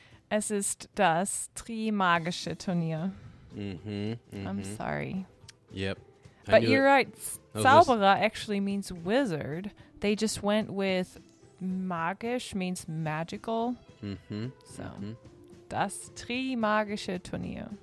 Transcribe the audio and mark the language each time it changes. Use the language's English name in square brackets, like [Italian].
[German] Es ist das Tri-Magische Turnier. Mm-hmm. [English] I'm sorry. Yep. But you're right. Zauberer actually means wizard. They just went with magisch means magical. [German] Das Tri-Magische Turnier.